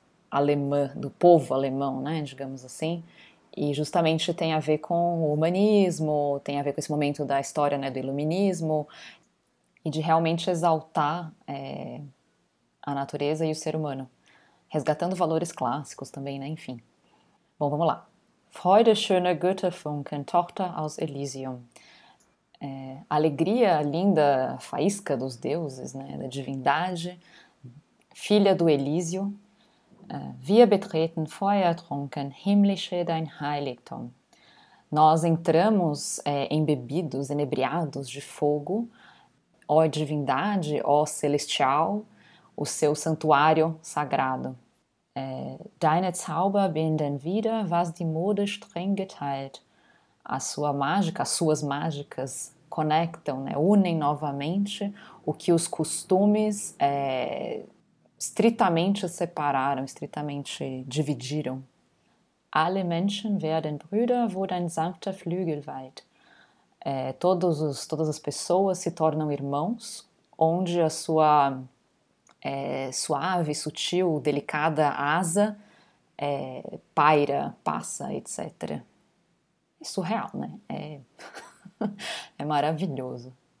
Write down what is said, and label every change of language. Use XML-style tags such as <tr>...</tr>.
<pt>Alemã, do povo alemão, né, digamos assim, e justamente tem a ver com o humanismo, tem a ver com esse momento da história, né, do iluminismo, e de realmente exaltar a natureza e o ser humano, resgatando valores clássicos também, né, enfim. Bom, vamos lá.</pt> <de>Freude, schöne Götterfunken, Tochter aus Elysium.</de> <pt>Alegria, linda faísca dos deuses, né, da divindade, filha do Elísio.</pt> <de>Wir betreten feuertrunken, himmlische dein Heiligtum.</de> <pt>Nós entramos embebidos, inebriados de fogo, ó divindade, ó celestial, o seu santuário sagrado.</pt> <de>Deine Zauber binden wieder, was die Mode streng geteilt.</de> <pt>A sua mágica, as suas mágicas conectam, né, unem novamente o que os costumes. Estritamente separaram, estritamente dividiram.</pt> <de>Alle Menschen werden Brüder, wo dein sanfter Flügel weht.</de> <pt>Todas as pessoas se tornam irmãos, onde a sua suave, sutil, delicada asa paira, passa, etc. É surreal, né? É maravilhoso.</pt>